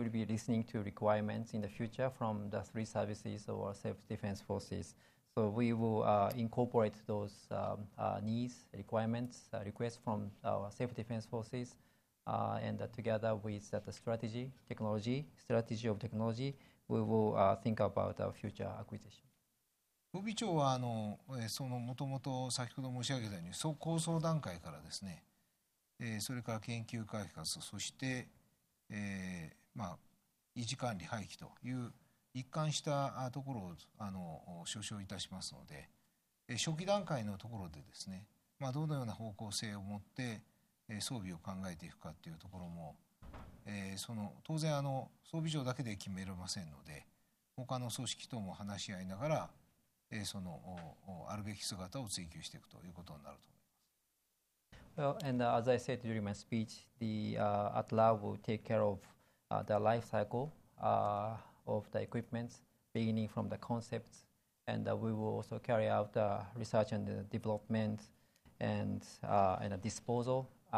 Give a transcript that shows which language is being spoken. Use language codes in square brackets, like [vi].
[en] We'll be listening to requirements in the future from the three services or self-defense forces. So we will incorporate those needs, requirements, requests from our self-defense forces. And together with that strategy, technology, strategy of technology, we will think about our future acquisition. [ja] 予備長はそのもともと先ほど申し上げたように、そう構想段階からですね、それから研究開発、そして、まあ、維持管理廃棄という一貫したところを所掌いたしますので、初期段階のところでですね、まあ、どのような方向性を持って装備を考えていくかというところも、その当然装備上だけで決められませんので、他の組織とも話し合いながら、そのあるべき姿を追求していくということになると思います。 [en] Well, and as I said during my speech, the ATLA will take care of the life cycle of the equipment, beginning from the concept, and we will also carry out the research and the development and a disposal.